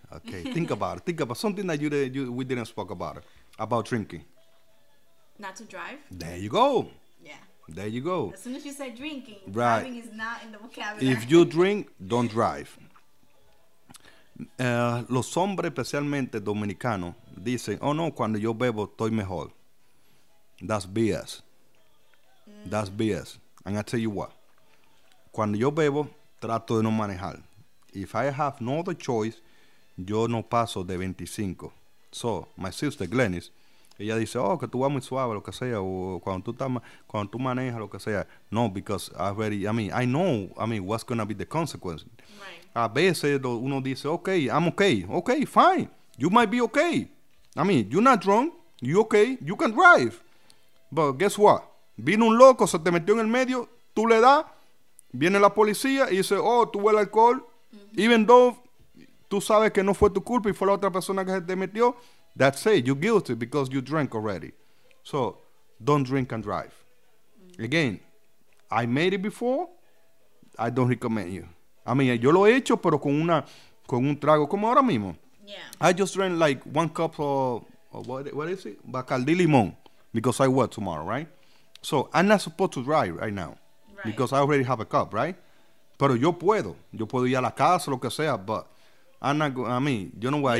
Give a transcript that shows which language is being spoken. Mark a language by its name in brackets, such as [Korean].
[English] Okay, think about something that we didn't speak about drinking. Not to drive? There you go. There you go. As soon as you said drinking, driving is not in the vocabulary. If you drink, don't drive. [Spanish] Los hombres, especialmente dominicanos, dicen, oh no, cuando yo bebo, estoy mejor. [English] That's BS. That's BS. And I'll tell you what. [Spanish] Cuando yo bebo, trato de no manejar. [English] If I have no other choice, [Spanish] yo no paso de 25. [English] So, my sister [Spanish] Glennis, ella dice, oh, que tú vas muy suave, lo que sea, o cuando tú manejas, lo que sea. [English] No, because I know what's going to be the consequence. Right. [Spanish] A veces uno dice, [English] okay, I'm okay. Okay, fine. You might be okay. You're not drunk. You're okay. You can drive. But guess what? [Spanish] Vino un loco, se te metió en el medio, tú le das, viene la policía y dice, oh, tú huele alcohol. Mm-hmm. [English] Even though [Spanish] tú sabes que no fue tu culpa y fue la otra persona que se te metió, [English] that's it. You're guilty because you drank already. So, don't drink and drive. Again, I made it before. I don't recommend you. [Spanish] Yo lo he hecho, pero con un trago como ahora mismo. [English] Yeah. I just drank like one cup of what is it? Bacardi Limon. Because I work tomorrow, right? So, I'm not supposed to drive right now. Right. Because I already have a cup, right? [Spanish] Pero yo puedo. Yo puedo ir a la casa, lo que sea, [English] but I'm not going, you know what?